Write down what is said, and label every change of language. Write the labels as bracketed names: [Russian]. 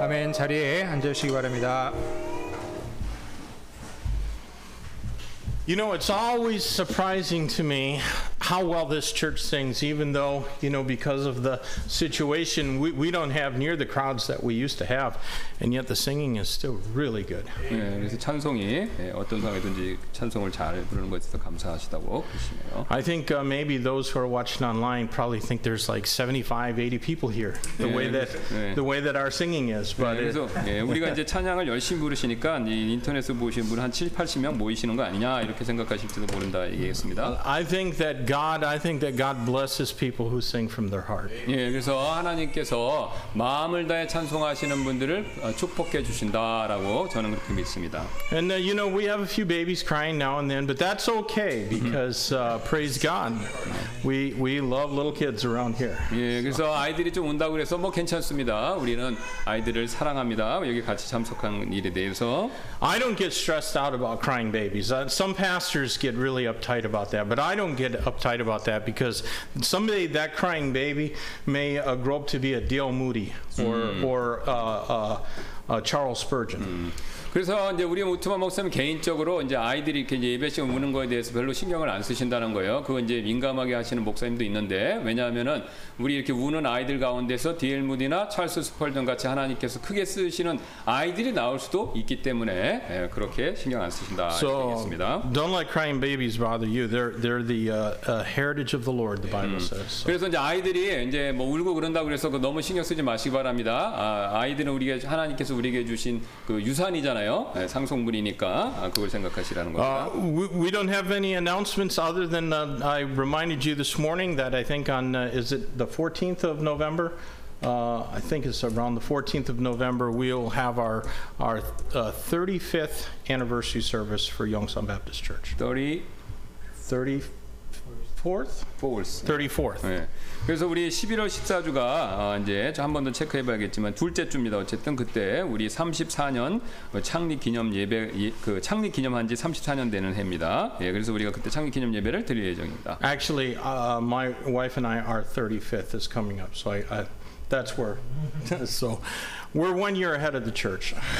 [Korean] 자리에 앉아 주시기 바랍니다. [English] You know, it's always surprising to me how well this church sings, even though, you know, because of the situation, we don't have near the crowds that we used to have, and yet the singing is still really good. [Korean] 네, 그래서 찬송이 네, 어떤 상황이든지 찬송을 잘 부르는 것에 대해서 감사하시다고 그러시네요. [English] I think maybe those who are watching online probably think there's like 75, 80 people here, the 네, way that 네. the way that our singing is. But 네, [Korean] 그래서 [English] it, [Korean] 네, 우리가 이제 찬양을 열심히 부르시니까 인터넷에서 보신 분 한 7, 80명 모이시는 거 아니냐 이렇게 생각하실지도 모른다 얘기했습니다. [English] I think that God blesses people who sing from their heart. [Korean] 예, 그래서 하나님께서 마음을 다해 찬송하시는 분들을 축복해 주신다라고 저는 그렇게 믿습니다. [English] And you know, we have a few babies crying now and then, but that's okay because praise God, we love little kids around here. [Korean] 예, 그래서 아이들이 좀 온다고 그래서 뭐 괜찮습니다. 우리는 아이들을 사랑합니다. 여기 같이 참석한 일에 대해서. [English] I don't get stressed out about crying babies. Some pastors get really uptight about that, but I don't get uptight about that because someday that crying baby may grow up to be a Dale Moody or Charles Spurgeon. [Korean] 그래서 이제 우리 모트마 목사님 개인적으로 이제 아이들이 이렇게 이제 예배 시간 우는 거에 대해서 별로 신경을 안 쓰신다는 거예요. 그거 이제 민감하게 하시는 목사님도 있는데 왜냐하면은 우리 이렇게 우는 아이들 가운데서 DL 무디나 찰스 스펄전 같이 하나님께서 크게 쓰시는 아이들이 나올 수도 있기 때문에 예, 그렇게 신경 안 쓰신다 하겠습니다. [English] So, don't let crying babies bother you. They're the heritage of the Lord. The Bible says. So. [Korean] 그래서 이제 아이들이 이제 뭐 울고 그런다 그래서 그 너무 신경 쓰지 마시기 바랍니다. 아, 아이들은 우리가 하나님께서 우리에게 주신 그 유산이잖아요. 네, 상속물이니까 그걸 생각하시라는 겁니다. [English] We don't have any announcements other than I reminded you this morning that I think on is it the 14th of November? I think it's around the 14th of November we'll have our 35th anniversary service for Yongsan Baptist Church. 34th. [Korean] 그래서 우리 11월 14주가 이제 한 번 더 체크해 봐야겠지만 둘째 주입니다. 어쨌든 그때 우리 34년 창립 기념 예배 그 창립 기념한 지 34년 되는 해입니다. 예, 그래서 우리가 그때 창립 기념 예배를 드릴 예정입니다. [English] Actually, my wife and I are 35th is coming up. So I that's where so we're 1 year ahead of the church.